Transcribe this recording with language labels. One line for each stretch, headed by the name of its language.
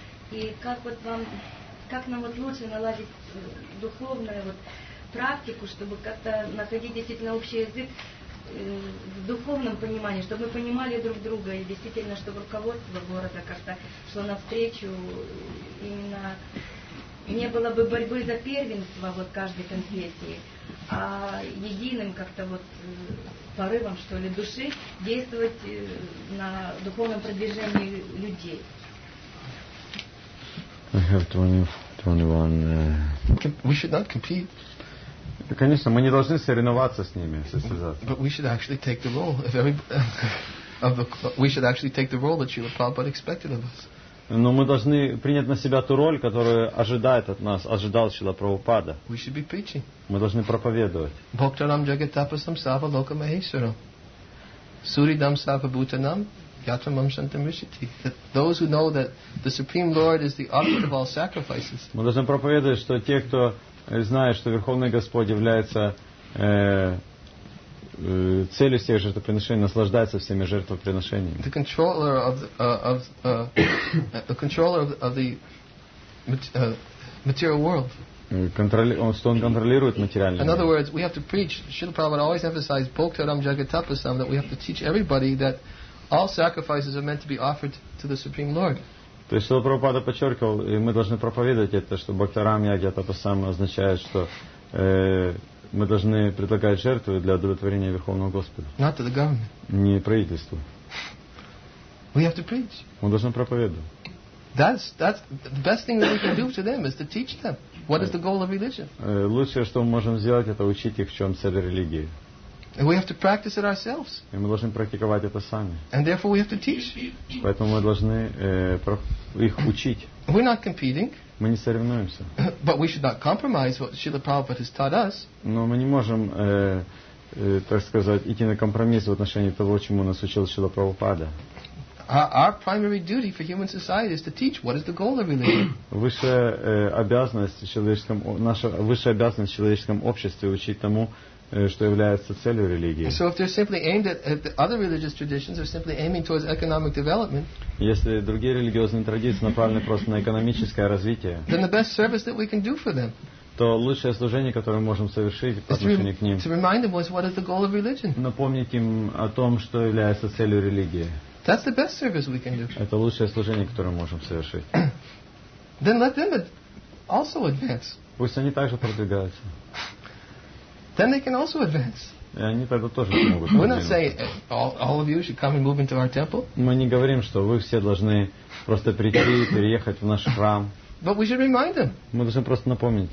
Russian: И как вот вам, как нам вот лучше наладить духовную вот практику, чтобы как-то находить действительно общий язык в духовном понимании, чтобы мы понимали друг друга и действительно, чтобы руководство города как-то шло навстречу, именно не было бы борьбы за первенство вот каждой конфессии, а единым как-то вот порывом, что ли, души действовать на духовном продвижении людей.
English: I have 21. We should not compete.
Russian: Конечно, мы не должны соревноваться с ними, состязаться.
English: But we should actually take the role of that Srila Prabhupada expected of us.
Russian: Но мы должны принять на себя ту роль, которую ожидает от нас, ожидал Шрила Прабхупада.
English: We should be preaching.
Russian: Мы должны проповедовать.
Sanskrit: Бхактарам джагатапасам сарва лока махесварам. Суридам сарва бутанам ятрамам шантам ришити.
English: Those who know that the Supreme Lord is the object of all sacrifices.
Russian: Мы должны проповедовать, что те, кто зная, что Верховный Господь является целью всех жертвоприношений, наслаждается всеми жертвоприношениями.
English: The controller of material world.
Russian: Он контролирует материальный мир.
English: In other words, we have to preach. Srila Prabhupada always emphasized Bhoktaram Jagatapasam, that we have to teach everybody that all sacrifices are meant to be offered to the Supreme Lord.
Russian: То есть Шрила Прабхупада подчеркивал, и мы должны проповедовать это, что Бхактарам Ягьятапасам означает, что мы должны предлагать жертвы для удовлетворения Верховного Господа.
English: Not to the government.
Russian: Не правительству.
English: We have to preach.
Russian: Мы должны проповедовать.
English: That's the best thing that we can do to them is to teach them what is the goal of religion.
Russian: Лучшее, что мы можем сделать, это учить их, в чем цель религии.
English: We have to practice it ourselves.
Russian: И мы должны практиковать это сами.
English: And therefore we have to teach.
Russian: Поэтому мы должны их учить.
English: We're not competing.
Russian: Мы не соревнуемся.
English: But we should not compromise what Srila Prabhupada has taught us.
Russian: Но мы не можем, так сказать, идти на компромисс в отношении того, чему нас учил Шрила Прабхупада.
English: Our primary duty for human society is to teach what is the goal of religion.
Russian: Высшая обязанность в человеческом обществе учить тому, что является целью религии.
English: So if they're simply aimed at if the other religious traditions are simply aiming towards economic development.
Russian: Если другие религиозные традиции направлены просто на экономическое развитие.
English: Then the best service that we can do for them.
Russian: То лучшее служение, которое мы можем совершить по отношению к ним.
English: To remind them what is the goal of religion.
Russian: Напомнить им о том, что является целью религии.
English: That's the best service we can do.
Russian: Это лучшее служение, которое мы можем совершить.
English: Then let them also advance.
Russian: Пусть они также продвигаются.
English: Then they can also advance.
Russian: И они тогда тоже могут.
English: We're not saying all of you should come and move into our temple.
Russian: Мы не говорим, что вы все должны просто прийти и переехать в наш храм.
English: But we should remind them.
Russian: Мы должны просто напомнить.